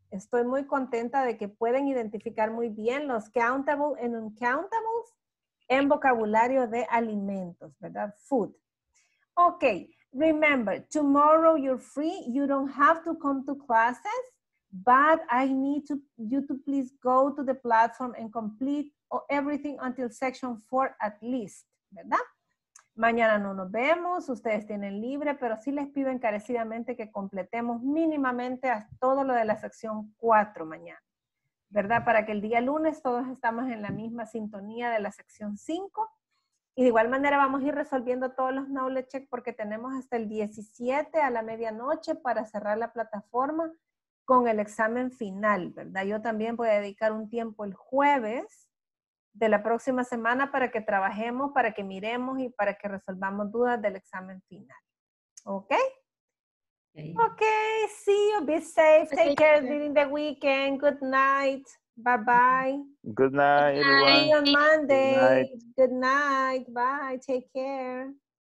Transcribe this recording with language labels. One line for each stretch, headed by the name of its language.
Spanish: Estoy muy contenta de que pueden identificar muy bien los countable and uncountables en vocabulario de alimentos, ¿verdad? Food.
English: Okay, remember, tomorrow you're free. You don't have to come to classes, but I need you to please go to the platform and complete everything until section 4 at least, ¿verdad?
Spanish: Mañana no nos vemos, ustedes tienen libre, pero sí les pido encarecidamente que completemos mínimamente a todo lo de la sección 4 mañana, ¿verdad? Para que el día lunes todos estamos en la misma sintonía de la sección 5. Y de igual manera vamos a ir resolviendo todos los knowledge check porque tenemos hasta el 17 a la medianoche para cerrar la plataforma con el examen final, ¿verdad? Yo también voy a dedicar un tiempo el jueves de la próxima semana para que trabajemos, para que miremos y para que resolvamos dudas del examen final.
English: ¿Okay? Okay, see you, be safe, take care during the weekend, good night, bye-bye. Good night, everyone. See you on Monday. Good night, bye, take care.